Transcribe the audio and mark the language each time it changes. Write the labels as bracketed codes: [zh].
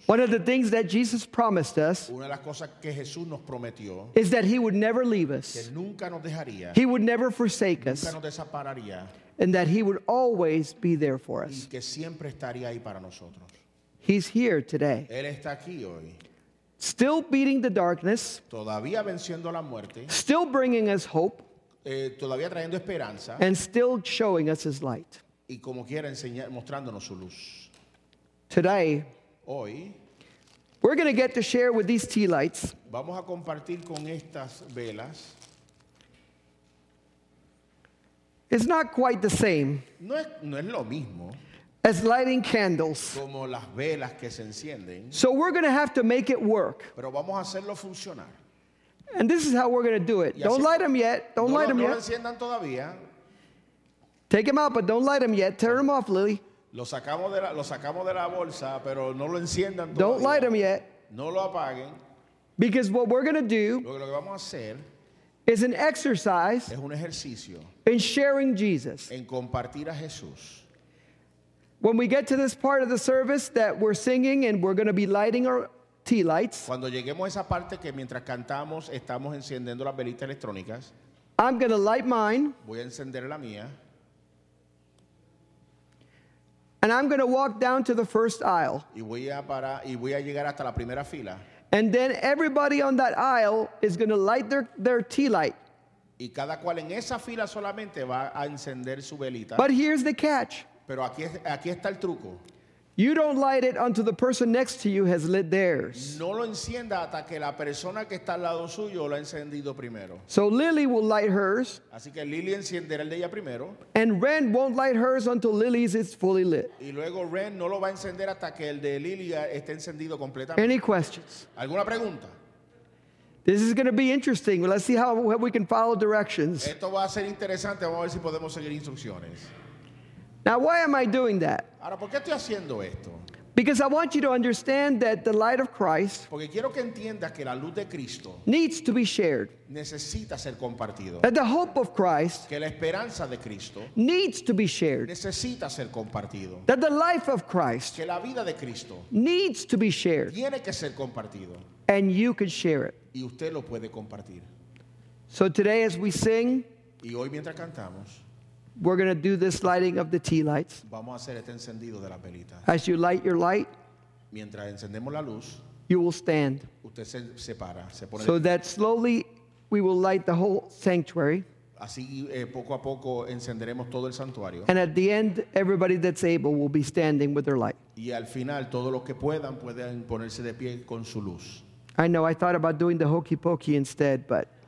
[en] One of the things that Jesus promised us, [es] una de las cosas que Jesús nos prometió, [en] is that he would never leave us. [es] Que nunca nos dejaría. [en] He would never forsake [es] nunca [en] us. [es] Nos desampararía. [en] And that he would always be there for us. [es] Y que siempre estaría ahí para nosotros. [en] He's here today. [es] Él está aquí hoy. [en] Still beating the darkness. [es] Todavía venciendo la muerte. [en] Still bringing us hope. [es] Todavía trayendo esperanza. [en] And still showing us his light. [es] Y como quiera enseñar, mostrándonos su luz. [en] Today, [es] hoy, [en] we're going to get to share with these tea lights. [es] Vamos a compartir con estas velas. [en] It's not quite the same. [es] No es lo mismo. [en] As lighting candles. [es] Como las velas que se encienden. [en] So we're going to have to make it work. [es] Pero vamos a hacerlo funcionar. [en] And this is how we're going to do it. Don't light them yet. Don't light them yet. [es] No lo enciendan todavía. [en] Take them out, but don't light them yet. Turn them off, Lily. [es] Lo sacamos de la bolsa, pero no lo enciendan todavía. [en] Don't light them yet. [es] No lo apaguen. [en] Because what we're going to do, [es] lo que vamos a hacer, [en] is an exercise, [es] es un ejercicio, [en] in sharing Jesus. [es] En compartir a Jesús. [en] When we get to this part of the service that we're singing and we're going to be lighting our tea lights, [es] cuando lleguemos a esa parte que mientras cantamos estamos encendiendo las velitas electrónicas, [en] I'm going to light mine. [es] Voy a encender la mía. [en] And I'm going to walk down to the first aisle. [es] Y voy a llegar hasta la primera fila. [en] And then everybody on that aisle is going to light their tea light. [es] Y cada cual en esa fila solamente va a encender su velita. [en] But here's the catch. [es] Pero aquí está el truco. [en] You don't light it until the person next to you has lit theirs. [es] No lo encienda hasta que la persona que está al lado suyo lo ha encendido primero. [en] So Lily will light hers. [es] Así que Lily encenderá el de ella primero. [en] And Ren won't light hers until Lily's is fully lit. [es] Y luego Ren no lo va a encender hasta que el de Lily esté encendido completamente. [en] Any questions? [es] ¿Alguna pregunta? [en] This is going to be interesting. Let's see how we can follow directions. [es] Esto va a ser interesante. Vamos a ver si podemos seguir instrucciones. [en] Now, why am I doing that? [es] Ahora, ¿por qué estoy haciendo esto? [en] Because I want you to understand that the light of Christ, [es] porque quiero que entiendas que la luz de Cristo, [en] needs to be shared. [es] Necesita ser compartido. [en] That the hope of Christ, [es] que la esperanza de Cristo, [en] needs to be shared. [es] Necesita ser compartido. [en] That the life of Christ, [es] que la vida de Cristo, [en] needs to be shared. [es] Tiene que ser compartido. [en] And you can share it. [es] Y usted lo puede compartir. [en] So today as we sing, [es] y hoy mientras cantamos, [en] we're going to do this lighting of the tea lights. [es] Vamos a hacer este encendido de las velitas. [en] As you light your light, [es] mientras encendemos la luz, [en] you will stand. [es] Usted se separa, se pone [en] so that slowly we will light the whole sanctuary. [es] Así, poco a poco encenderemos todo el santuario. [en] And at the end, everybody that's able will be standing with their light. [es] Y al final, todos los que puedan, pueden ponerse de pie con su luz. [en] I know, I thought about doing the hokey pokey instead, but